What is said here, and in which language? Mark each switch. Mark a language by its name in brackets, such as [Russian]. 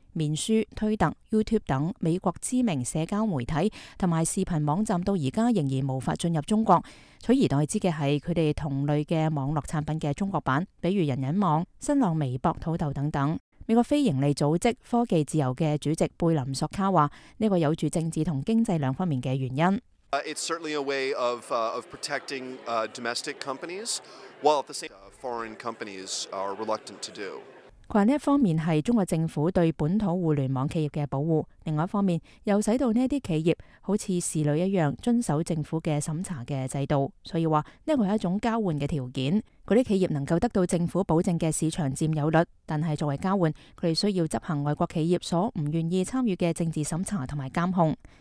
[Chinese] 面书、推特、YouTube 等美国知名社交媒体和视频网站到现在仍然无法进入中国，取而代之的是他们同类的网络产品的中国版，比如人人网、新浪微博、土豆等等。美国非营利组织科技自由的主席贝林索卡说，这个有着政治和经济两方面的原因。 [English] It's certainly a way of protecting domestic companies, while at the same time foreign companies are reluctant to do。 [Chinese] 他说这方面是中国政府对本土互联网企业的保护，另外一方面又使到这些企业好像侍女一样遵守政府的审查的制度，所以说这是一种交换的条件。那些企业能够得到政府保证的市场占有率，但是作为交换，他们需要执行外国企业所不愿意参与的政治审查和监控。